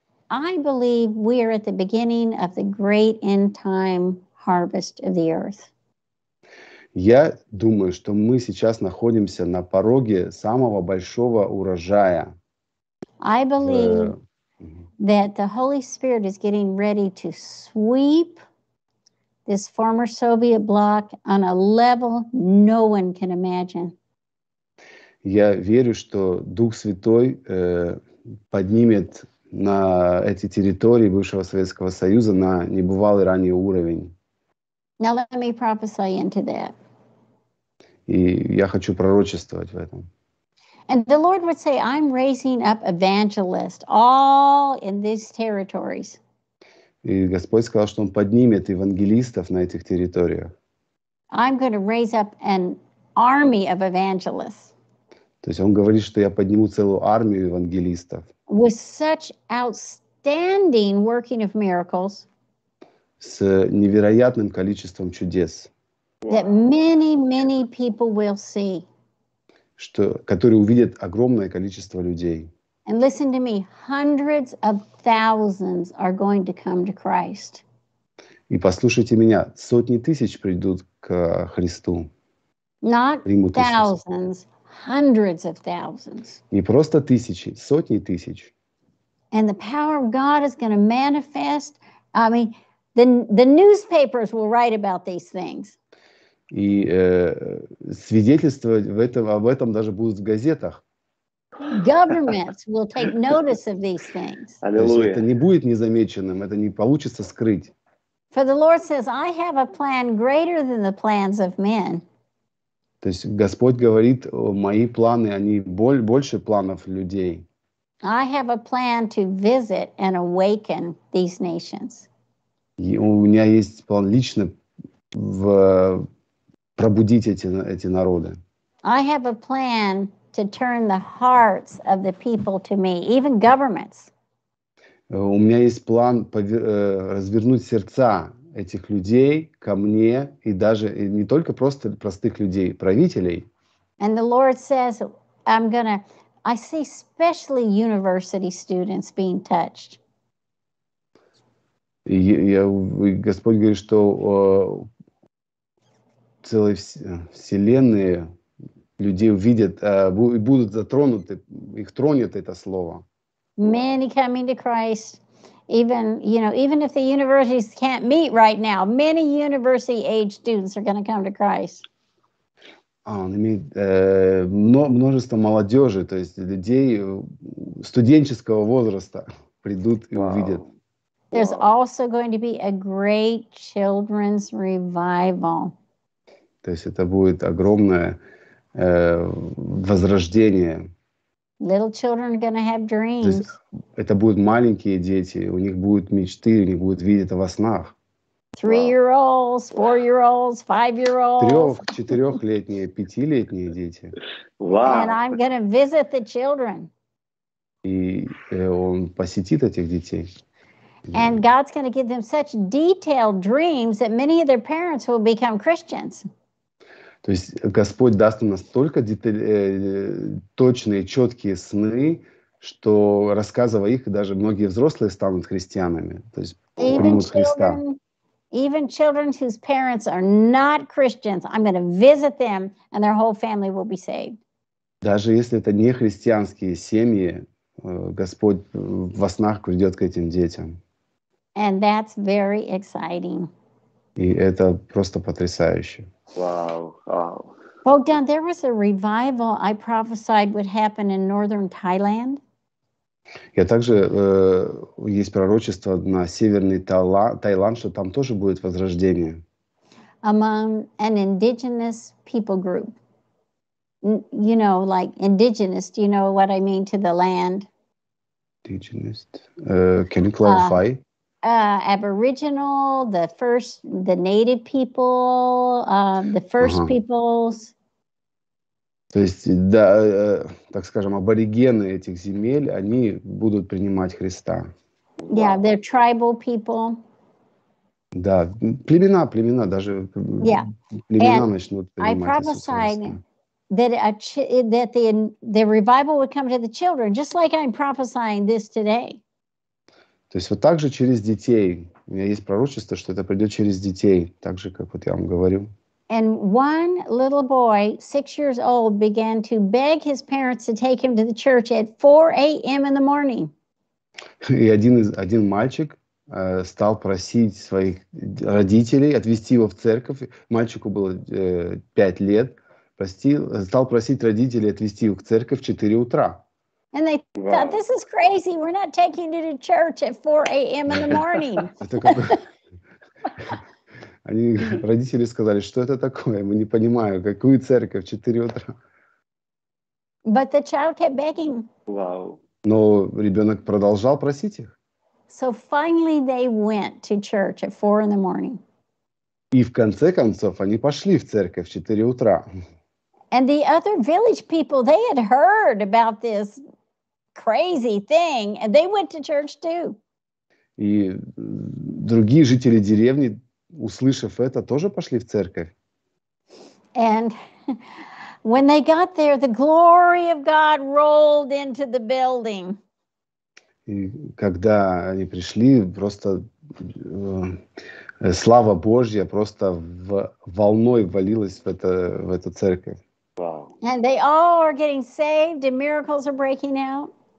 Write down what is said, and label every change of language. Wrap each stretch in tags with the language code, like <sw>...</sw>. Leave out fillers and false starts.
<en>I believe we are at the beginning of the great end time harvest of the earth.</en> <ru>Я думаю, что мы сейчас находимся на пороге самого большого урожая.</ru> <en>I believe that the Holy Spirit is getting ready to sweep this former Soviet bloc on a level no one can imagine.</en> <ru>Я верю, что Дух Святой поднимет на эти территории бывшего Советского Союза на небывалый ранее уровень.</ru> <en>Now let me prophesy into that.</en> <ru>И я хочу пророчествовать в этом.</ru> <en>And the Lord would say, I'm raising up evangelists all in these territories.</en> <ru>И Господь сказал, что Он поднимет евангелистов на этих территориях.</ru> <en>I'm going to raise up an army of evangelists.</en> <ru>То есть Он говорит, что я подниму целую армию евангелистов.</ru> <en>With such outstanding working of miracles.</en> <ru>С невероятным количеством чудес.</ru> <en>That many, many people will see.</en> <ru>Которые увидят огромное количество людей.</ru> <en>And listen to me, hundreds of thousands are going to come to Christ.</en> <ru>И послушайте меня, сотни тысяч придут к Христу.</ru> <en>Not thousands, hundreds of thousands.</en> <ru>Не просто тысячи, сотни тысяч.</ru> <en>And the power of God is going to manifest. I mean, the newspapers will write about these things.</en> <ru>И свидетельствовать об этом даже будут в газетах.</ru> <en>Governments will take notice of these things.</en> <ru>Аллилуйя. Это не будет незамеченным, это не получится скрыть.</ru> <en>For the Lord says, I have a plan greater than the plans of men.</en> <ru>То есть Господь говорит, мои планы, они больше планов людей.</ru> <en>I have a plan to visit and awaken these nations.</en> <ru>И у меня есть план лично пробудить эти народы.</ru> <en>I have a plan to turn the hearts of the people to me, even governments.</en> <ru>У меня есть план развернуть сердца этих людей ко мне и даже и не только просто простых людей, правителей.</ru> <en>And the Lord says, I see especially university students being touched.</en> <ru>Господь говорит, что целые вселенные людей увидят, будут затронуты, их тронет это слово.</ru> <en>Many coming to Christ. even, you know, even if the universities can't meet right now, many university-age students are going to come to Christ.</en> <ru>Он имеет множество молодежи, то есть людей студенческого возраста придут и увидят.</ru> <en>There's also going to be a great children's revival.</en> <ru>То есть это будет огромное возрождение.</ru> <en>Little children are going to have dreams.</en> <ru>Это будут маленькие дети, у них будут мечты, они будут видеть это во снах.</ru> <en>Three-year-olds, four-year-olds, five-year-olds.</en> <ru>Трех, четырехлетние, пятилетние дети.</ru> <en>Wow. And I'm going to visit the children.</en> <ru>И он посетит этих детей.</ru> <en>And God's going to give them such detailed dreams that many of their parents will become Christians.</en> <ru>То есть Господь даст им настолько точные, четкие сны, что рассказывая их, даже многие взрослые станут христианами. То есть</ru> <en>Even</en> <ru>примут</ru> <en>children,</en> <ru>Христа.</ru> <en>Even children whose parents are not Christians, I'm going to visit them, and their whole family will be saved.</en> <ru>Даже если это не христианские семьи, Господь во снах придет к этим детям.</ru> <en>And that's very exciting.</en> <ru>И это просто потрясающе.</ru> <en>Wow, wow. Богдан, there was a revival I prophesied would happen in northern Thailand.</en> <ru>Я также есть пророчество на северный Таиланд, что там тоже будет возрождение.</ru> <en>Among an indigenous people group, you know, like indigenous. Do you know what I mean to the land? Indigenous. Can you clarify? Aboriginal, the first, the native people, the first peoples.</en> <ru>То есть, да, так скажем, аборигены этих земель, они будут принимать Христа.</ru> <en>Yeah, they're tribal people.</en> <ru>Да, племена, даже племена начнут принимать Христа.</ru> <en>I prophesied that the revival would come to the children, just like I'm prophesying this today.</en> <ru>То есть вот так же через детей. У меня есть пророчество, что это придет через детей, так же, как вот я вам говорю.</ru> <en>And one little boy, 6 years old, began to beg his parents to take him to the church at 4 a.m. in the morning.</en> <ru>И один мальчик стал просить своих родителей отвезти его в церковь. Мальчику было 5 лет. Стал просить родителей отвезти его в церковь в 4 утра.</ru> <en>And they thought, this is crazy. We're not taking you to church at 4 a.m. in the morning.</en> <ru>Они, родители сказали, что это такое? Мы не понимаем, какую церковь в 4 утра.</ru> <en>But the child kept begging. Wow.</en> <ru>Но ребенок продолжал просить их.</ru> <en>So finally they went to church at 4 in the morning.</en> <ru>И в конце концов они пошли в церковь в 4 утра.</ru> <en>And the other village people, they had heard about this crazy thing, and they went to church too.</en> <ru>И другие жители деревни, услышав это, тоже пошли в церковь.</ru> <en>And when they got there, the glory of God rolled into the building.</en> <ru>И когда они пришли, просто слава Божья просто волной валилась в эту церковь.</ru> <en>And they all are getting saved, and miracles are breaking out.</en>